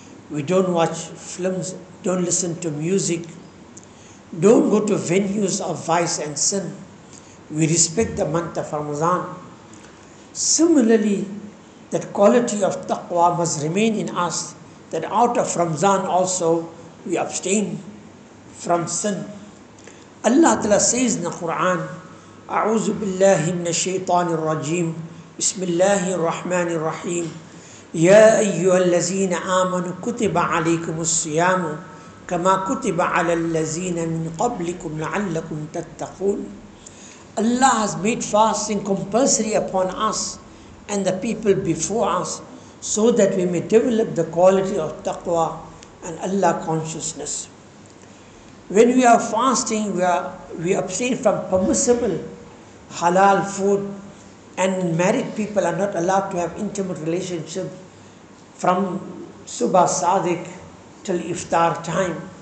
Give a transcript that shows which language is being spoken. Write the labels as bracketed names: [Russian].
[English] We don't watch films, don't listen to music, don't go to venues of vice and sin. We respect the month of Ramzan. Similarly, that quality of taqwa must remain in us, that out of Ramzan also we abstain from sin. Allah Ta'ala says in the Quran, [Arabic] أعوذ بالله من الشيطان الرجيم بسم الله الرحمن الرحيم يا أيها الذين آمنوا كتب عليكم الصيام كما كتب على الذين من قبلكم لعلكم تتقون. [English] Allah has made fasting compulsory upon us and the people before us so that we may develop the quality of taqwa and Allah consciousness. When we are fasting, we abstain from permissible halal food, and married people are not allowed to have intimate relationship from Subah Sadiq till Iftar time.